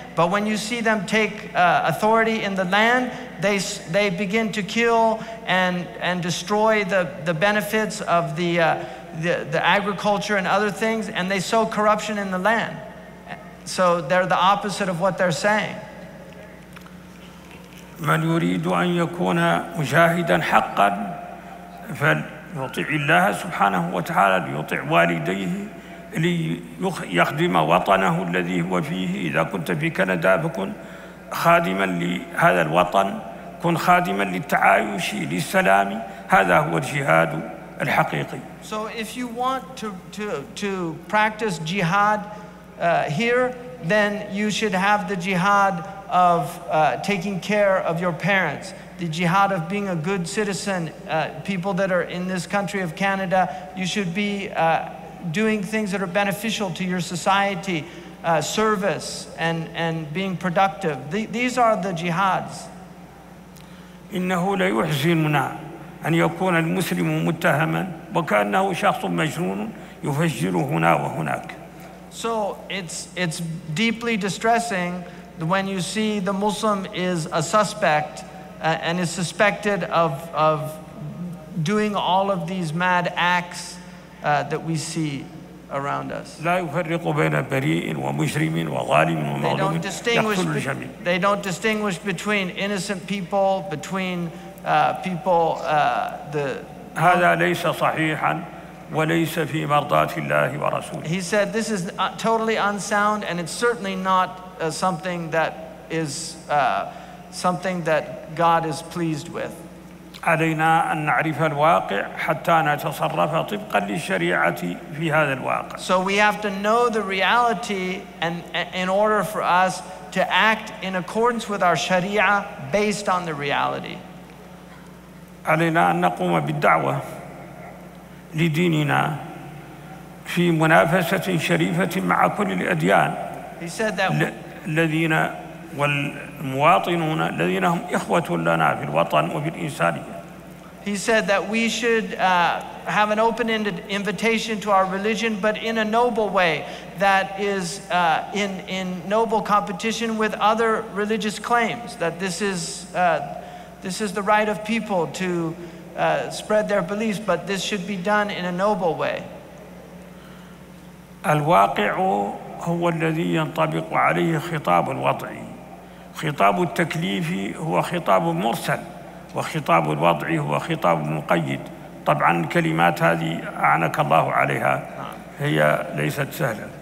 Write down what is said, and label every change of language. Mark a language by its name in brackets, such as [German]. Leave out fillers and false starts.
[English] But when you see them take authority in the land, they begin to kill and destroy the benefits of the agriculture and other things. And they sow corruption in the land. So they're the opposite of what they're saying. [Arabic] من يريد أن يكون مجاهدا حقا يطيع الله سبحانه وتعالى ليطيع والديه ليخدم وطنه الذي هو فيه. إذا كنت في كندا فكن خادما لهذا الوطن، كن خادما للتعايش للسلام، هذا هو الجهاد الحقيقي. [English] So if you want to practice jihad here, then you should have the jihad of taking care of your parents, the jihad of being a good citizen. People that are in this country of Canada, you should be doing things that are beneficial to your society, service and being productive. These are the jihads. [Arabic] إنه لا يحزننا أن يكون المسلم متهما وكأنه شخص مجنون يفجر هنا وهناك. [English] So it's deeply distressing when you see the Muslim is a suspect and is suspected of doing all of these mad acts that we see around us. [Arabic] لا يفرق بين بريء ومجرم وظالم ومظلوم. [English] They don't distinguish between innocent people, between people. [Arabic] هذا ليس صحيحا وليس في مرضاة الله ورسوله. [English] He said this is totally unsound and it's certainly not something that is something that God is pleased with. [Arabic] علينا أن نعرف الواقع حتى نتصرف طبقا للشريعة في هذا الواقع. [English] So we have to know the reality and in order for us to act in accordance with our Sharia based on the reality. [Arabic] علينا أن نقوم بالدعوة لديننا في منافسة شريفة مع كل الأديان. [English] He said that [Arabic] الذين والمواطنون الذين هم إخوة لنا في الوطن وفي الإنسانية. [English] He said that we should have an open-ended invitation to our religion, but in a noble way, that is in noble competition with other religious claims, that this is the right of people to spread their beliefs, but this should be done in a noble way. [Arabic] الواقع هو الذي ينطبق عليه خطاب الوضعي. خطاب التكليف هو خطاب مرسل. وخطاب الوضع هو خطاب مقيد. طبعا الكلمات هذه أعانك الله عليها هي ليست سهلة.